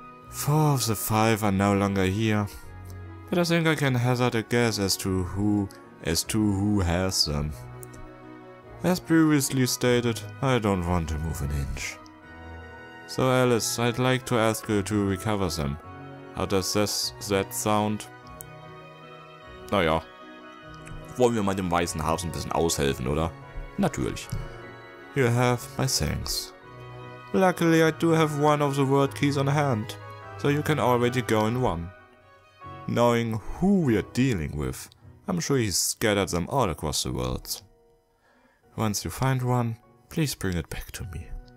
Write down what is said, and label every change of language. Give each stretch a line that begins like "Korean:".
English: Four of the five are no longer here. But I think I can hazard a guess as to who has them. As previously stated, I don't want to move an inch. So Alice, I'd like to ask you to recover them. How does that sound? Naja.
German: Wollen wir mal dem Weißen Haus ein bisschen aushelfen, oder?
English: Natürlich. You have my thanks. Luckily I do have one of the world keys on hand, so you can already go in one. Knowing who we are dealing with, I'm sure he's scattered them all across the world. Once you find one, please bring it back to me.